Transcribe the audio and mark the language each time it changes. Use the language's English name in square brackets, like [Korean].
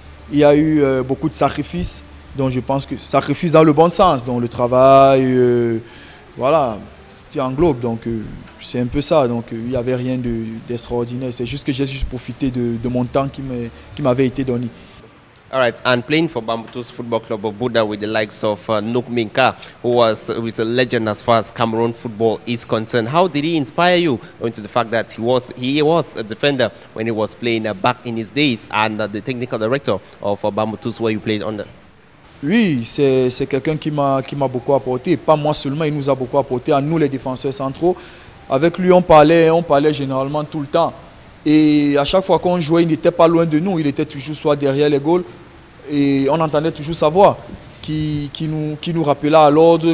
[French] Il y a eu beaucoup de sacrifices. Donc je pense que sacrifice dans le bon sens. Donc le travail, voilà, ce qui englobe. Donc c'est un peu ça. Donc il n'y avait rien d'extraordinaire. C'est juste que j'ai juste profité de mon temps qui m'avait été donné. [English] All right, and playing for Bamoutos Football Club of Buda with the likes of Nuk Minka, who is a legend as far as Cameroon football is concerned. How did he inspire you into the fact that he was a defender when he was playing back in his days and the technical director of Bamoutos where you played under? [French] Oui, c'est quelqu'un qui m'a beaucoup apporté. Pas moi seulement, il nous a beaucoup apporté, à nous les défenseurs centraux. Avec lui, on parlait généralement tout le temps. Et à chaque fois qu'on jouait, il n'était pas loin de nous. Il était toujours soit derrière les goals. Et on entendait toujours sa voix qui nous rappelait à l'ordre.